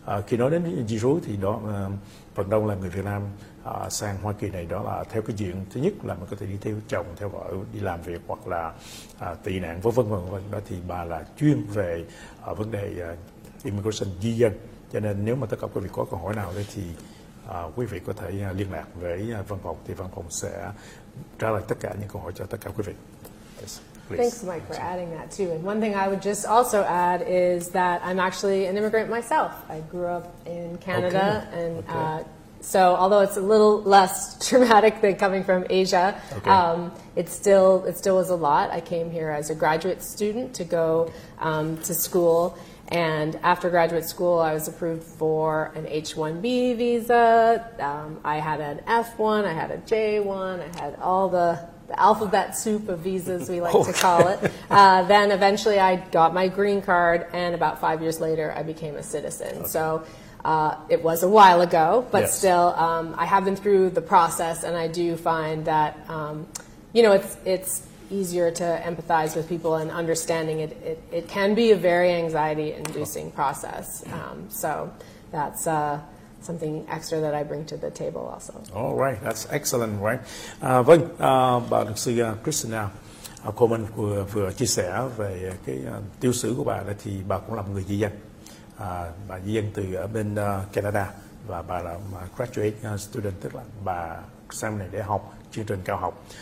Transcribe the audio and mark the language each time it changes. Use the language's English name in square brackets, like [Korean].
[Vietnamese] Khi nói đến di trú thì đó phần đông là người Việt Nam sang Hoa Kỳ này, đó là theo cái diện thứ nhất là mình có thể đi theo chồng, theo vợ đi làm việc, hoặc là tị nạn vân vân vân, đó thì bà là chuyên về vấn đề immigration di dân. Cho nên nếu mà tất cả quý vị có câu hỏi nào đấy thì quý vị có thể liên lạc với văn phòng, thì văn phòng sẽ trả lời tất cả những câu hỏi cho tất cả quý vị. [English] Yes. Thanks, Mike, for adding that too. And one thing I would just also add is that I'm actually an immigrant myself. I grew up in Canada, okay. And okay. So although it's a little less traumatic than coming from Asia, okay. It still was a lot. I came here as a graduate student to go to school, and after graduate school, I was approved for an H-1B visa. I had an F-1, I had a J-1, I had all the the alphabet soup of visas, we like to call it. Then eventually I got my green card, and about 5 years later I became a citizen. Okay. So it was a while ago, but yes, still I have been through the process, and I do find that, you know, it's easier to empathize with people and understanding it. It can be a very anxiety-inducing process. So that's something extra that I bring to the table also. All right. That's excellent, right? [Vietnamese] Vâng, bà luật sư Christina Coleman vừa chia sẻ về cái tiêu sử của bà đó, thì bà cũng là một người di dân. Bà di dân từ ở bên Canada, và bà là graduate student, tức là bà sang này để học chương trình cao học.